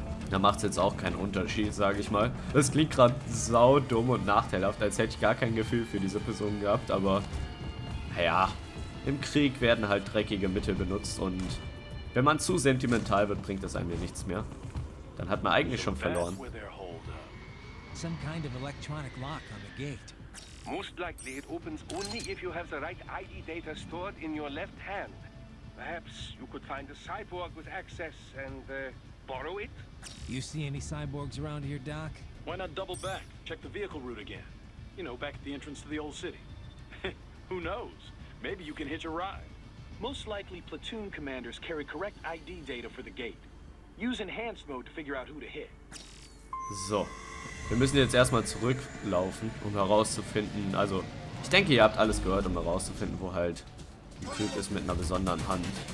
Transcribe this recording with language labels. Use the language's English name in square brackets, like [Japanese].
[German] Da macht es jetzt auch keinen Unterschied, sage ich mal. Das klingt gerade saudumm und nachteilhaft, als hätte ich gar kein Gefühl für diese Person gehabt, aber naja, im Krieg werden halt dreckige Mittel benutzt und wenn man zu sentimental wird, bringt das einem ja nichts mehr. Dann hat man eigentlich schon verloren. [English] Some kind of electronic lock on the gate. Most likely it opens only if you have the right ID data stored in your left hand. Perhaps you could find a cyborg with access and borrow it? You see any cyborgs around here, Doc? Why not double back? Check the vehicle route again. You know, back at the entrance to the old city. Who knows? Maybe you can hitch a ride. Most likely platoon commanders carry correct ID data for the gate. Use enhanced mode to figure out who to hit. So. [German] Wir müssen jetzt erstmal zurücklaufen, um herauszufinden, also ich denke, ihr habt alles gehört, um herauszufinden, wo halt ein Typ ist mit einer besonderen Hand.